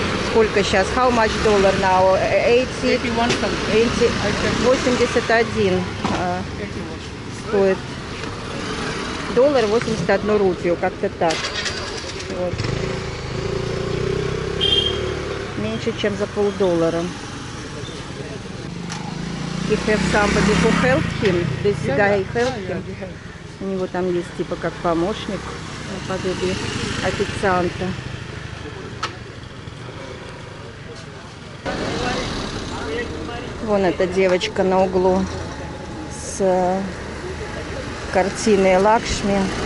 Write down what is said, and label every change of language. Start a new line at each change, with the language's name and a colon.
Russian: Сколько сейчас?
English: How much dollar now?
Russian: 81 стоит. Доллар 81 рупию, как-то так. Вот. Меньше, чем за полдоллара.
English: he have somebody who help him. This guy help him.
Russian: У него там есть типа как помощник, подобие официанта. Вон эта девочка на углу с картиной Лакшми.